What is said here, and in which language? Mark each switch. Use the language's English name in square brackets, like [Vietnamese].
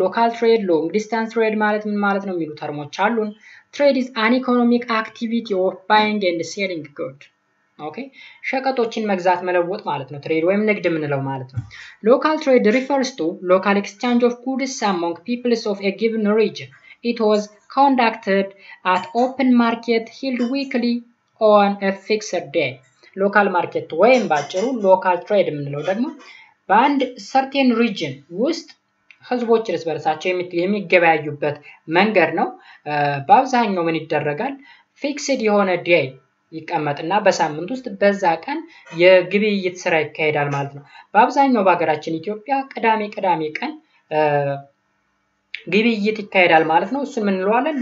[English] ሎካል ትሬድ long distance trade [Amharic] ማለት ምን ማለት ነው የሚሉ ተርሞች አሉን። [English] Trade is an economic activity of buying and selling goods. [Amharic] ኦኬ ሸቀጦችን መግዛት መለወጥ ማለት ነው። [English] ትሬድ ወይም ንግድ ምንለው ማለት ነው። ሎካል ትሬድ refers to local exchange of goods among peoples of a given region. It was conducted at open market held weekly on a fixed day. [Amharic] Local market ወይም ባጭሩ local trade ምንለው ደግሞ በአንድ certain region ውስጥ ህዝቦች እርስ በርሳቸው የሚገበያዩበት መንገድ ነው። በአብዛኛው ምን ይደረጋል? Fixed የሆነ day ይቀመጥና በሳምንት ውስጥ በዛ ቀን የግብይት ስራ ይካሄዳል ማለት ነው። በአብዛኛው በአገራችን ኢትዮጵያ ቅዳሜ ቀን ግብይት ይካሄዳል ማለት ነው። እሱን ምን እንለዋለን?